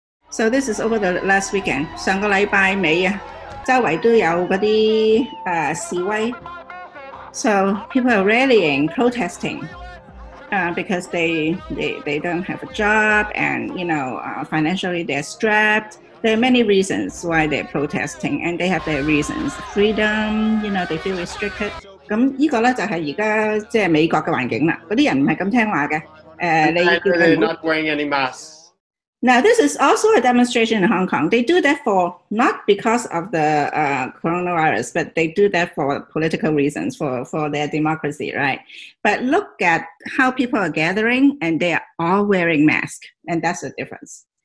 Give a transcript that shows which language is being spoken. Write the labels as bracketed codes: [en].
[en] So this is over the last weekend, [yue] 上個禮拜尾呀，周圍都有嗰啲示威。 [en] So people are rallying, protesting。 Because they don't have a job, and you know, financially they're strapped. There are many reasons why they're protesting, and they have their reasons. Freedom, you know, they feel restricted. [yue] 咁呢個咧就係而家即係美國嘅環境啦。嗰啲人唔係咁聽話嘅。你叫佢 [en] not wearing any masks. Now this is also a demonstration in Hong Kong. They do that for not because of the coronavirus, but they do that for political reasons, for their democracy, right? But look at how people are gathering, and they are all wearing masks, and that's the difference.